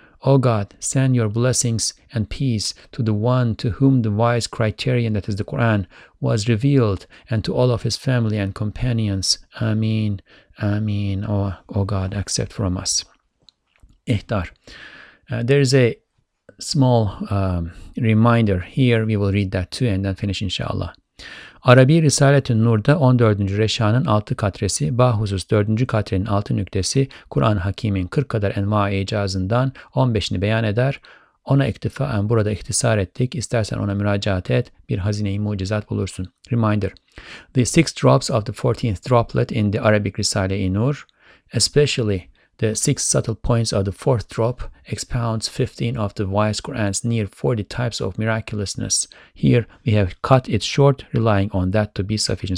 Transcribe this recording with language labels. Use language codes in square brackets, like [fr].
[en] O God, send your blessings and peace to the one to whom the wise criterion, that is the Quran, was revealed, and to all of his family and companions. Amen. Amen. O God, accept from us. Ihtar. There is a small reminder here. We will read that too and then finish inshallah. [tr] Arabi Risalet-i Nur'da 14. Reşah'ın 6 katresi, bahusus 4. katrenin 6 nüktesi, Kur'an-ı Hakim'in 40 kadar enva-i icazından 15'ini beyan eder. Ona iktifaen burada ihtisar ettik. İstersen ona müracaat et, bir hazine-i mucizat bulursun. [en] Reminder. The 6 drops of the 14th droplet in the Arabic Risale-i Nur, especially the 6 subtle points of the 4th drop, expounds 15 of the wise Quran's near 40 types of miraculousness. Here we have cut it short, relying on that to be sufficient.